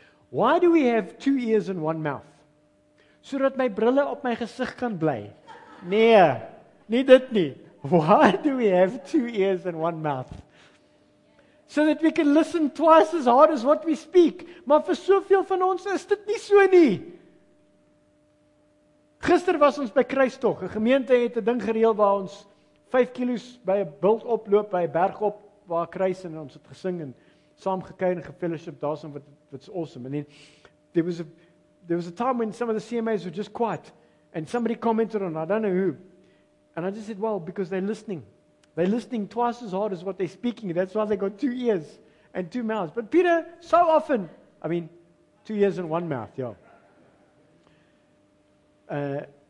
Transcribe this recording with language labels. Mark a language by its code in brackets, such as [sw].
[en] Why do we have two ears and one mouth? [af] Sodat my brille op my gesig kan bly. Nee, nie dit nie. [en] Why do we have two ears and one mouth? So that we can listen twice as hard as what we speak. [af] Maar vir soveel van ons is dit nie so nie. Gister was ons by Kruistog. Een gemeente het 'n ding gereël waar ons 5 kilos by 'n bult oploop, by 'n berg op, waar kruis, en ons het gesing en saam gekuier en gefellowship, daar's en wat's awesome. [en] And then there was a time when some of the CMAs were just quiet, and somebody commented on, I don't know who, and I just said, well, because they're listening. They're listening twice as hard as what they're speaking, that's why they got 2 ears and 2 mouths. But Peter, so often, 2 ears and 1 mouth, yeah.